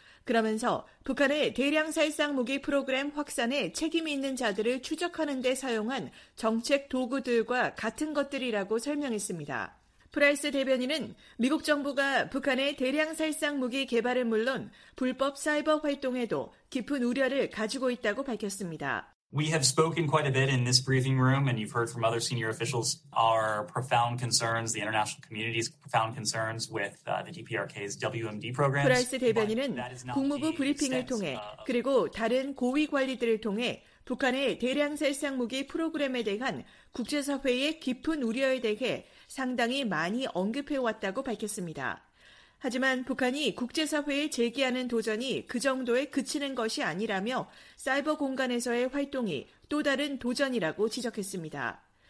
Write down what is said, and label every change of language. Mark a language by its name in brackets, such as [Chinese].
[Korean] 그러면서 북한의 대량 살상 무기 프로그램 확산에 책임이 있는 자들을 추적하는 데 사용한 정책 도구들과 같은 것들이라고 설명했습니다. 프라이스 대변인은 미국 정부가 북한의 대량 살상 무기 개발은 물론 불법 사이버 활동에도 깊은 우려를 가지고 있다고 밝혔습니다. [English] We have spoken quite a bit in this briefing room and you've heard from other senior officials our profound concerns, the international community's profound concerns with the DPRK's WMD programs. [Korean] 프라이스 대변인은 국무부 브리핑을 통해 그리고 다른 고위 관리들을 통해 북한의 대량 살상 무기 프로그램에 대한 국제사회의 깊은 우려에 대해 상당히 많이 언급해왔다고 밝혔습니다. 하지만 북한이 국제사회에 제기하는 도전이 그 정도에 그치는 것이 아니라며 사이버 공간에서의 활동이 또 다른 도전이라고 지적했습니다.